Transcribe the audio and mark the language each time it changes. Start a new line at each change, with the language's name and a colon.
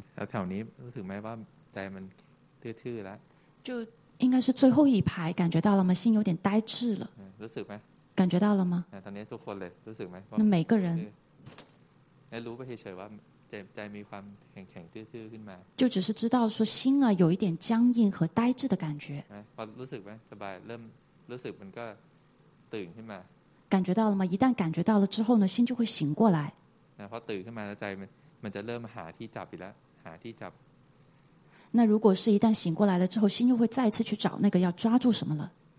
Thai: แถวนี้รู้สึกไหมว่าใจมันทื่อๆแล้ว
Chinese: 就应该是最后一排感觉到了吗心有点呆滞了
Thai: รู้สึกไหม
Chinese: 感觉到了吗
Thai: ตอนนี้ทุกคนเลยรู้สึกไ
Chinese: หม那每个人
Thai: รู้ไปเฉยๆว่าใจมีความแข็งๆทื่อๆขึ้นมา
Chinese: 就只是知道说心啊有一点僵硬和呆滞的感觉
Thai: พอรู้สึกไหมสบายเริ่มรู้สึกมันก็ตื่นขึ้นมา
Chinese: 感觉到了吗一旦感觉到了之后呢心就会醒过来
Thai: พอตื่นขึ้นมาแล้วใจมันจะเริ่มหาที่จับอีกแล้วหาที่จับ
Chinese: 那如果是一旦醒过来了之后心又会再次去找那个要抓住什么了